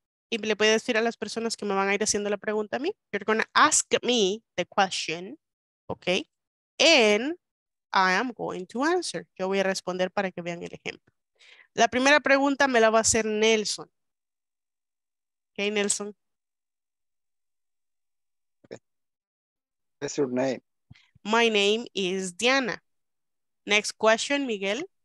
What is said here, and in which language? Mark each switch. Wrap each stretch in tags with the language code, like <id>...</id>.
<es>Y le voy a decir a las personas que me van a ir haciendo la pregunta a mí.</es> <en>You're going to ask me the question, okay? And I am going to answer.</en> <es>Yo voy a responder para que vean el ejemplo. La primera pregunta me la va a hacer Nelson.</es> <en>Okay, Nelson. What's your name? My name is Diana. Next question, Miguel.</en>